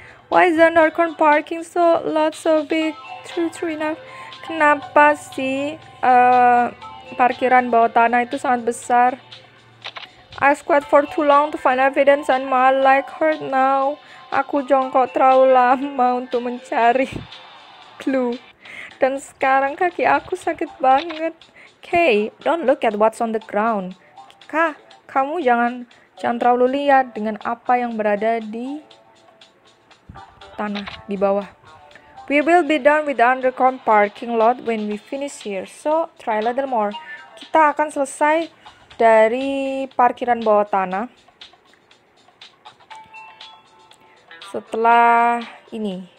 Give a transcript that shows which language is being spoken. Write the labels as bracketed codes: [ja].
[en] Why is the Norcon parking so lot so big? True enough. [id] Kenapa sih parkiran bawah tanah itu sangat besar? [en] I squat for too long to find evidence and my leg hurt now. [id] Aku jongkok terlalu lama untuk mencari clue. Dan sekarang kaki aku sakit banget. [en] Kay, don't look at what's on the ground. [id] Kak, kamu jangan terlalu lihat dengan apa yang berada di tanah, di bawah. [en] We will be done with the underground parking lot when we finish here. So, try a little more. [id] Kita akan selesai dari parkiran bawah tanah setelah ini.